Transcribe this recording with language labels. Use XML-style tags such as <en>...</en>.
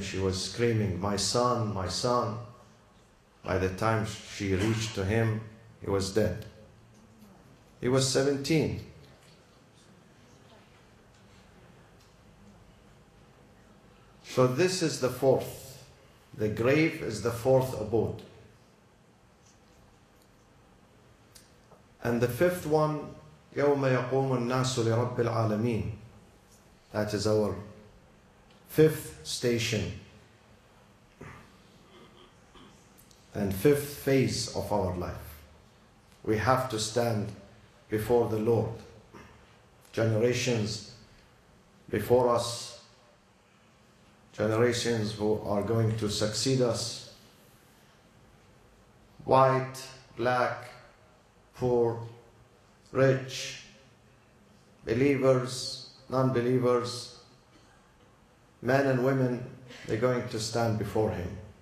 <en>She was screaming, "My son, my son." By the time she reached to him, he was dead. He was 17. So this is the fourth. The grave is the fourth abode. And the fifth one,</en> <ar>يوم يقوم الناس لرب العالمين.</ar> <en>That is our fifth station and fifth phase of our life. We have to stand before the Lord. Generations before us, generations who are going to succeed us, white, black, poor, rich, believers, non-believers, men and women, they're going to stand before Him.</en>